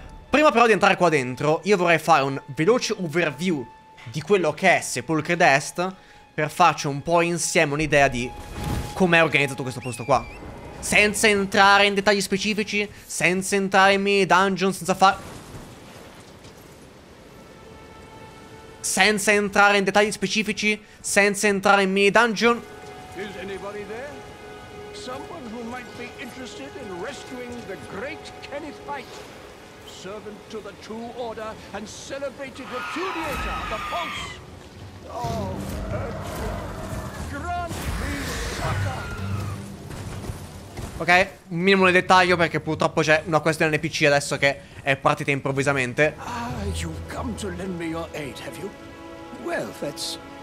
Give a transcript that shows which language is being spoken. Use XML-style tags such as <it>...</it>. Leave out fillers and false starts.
<it>Prima però di entrare qua dentro, io vorrei fare un veloce overview di quello che è Sepulchre d'Est per farci un po' insieme un'idea di com'è organizzato questo posto qua. Senza entrare in dettagli specifici, senza entrare in mini dungeon, senza entrare in mini dungeon.</it> <en>Is anybody there? Someone who might be interested in rescuing the great Kenneth Fight. Servant to the True Order and celebrated repudiator of the false. Oh, grant me succor.</en> <it>Ok, un minimo di dettaglio perché purtroppo c'è una questione NPC adesso che è partita improvvisamente.</it> <en>Ah, you've come to lend me your aid, have you? Well, that's</en>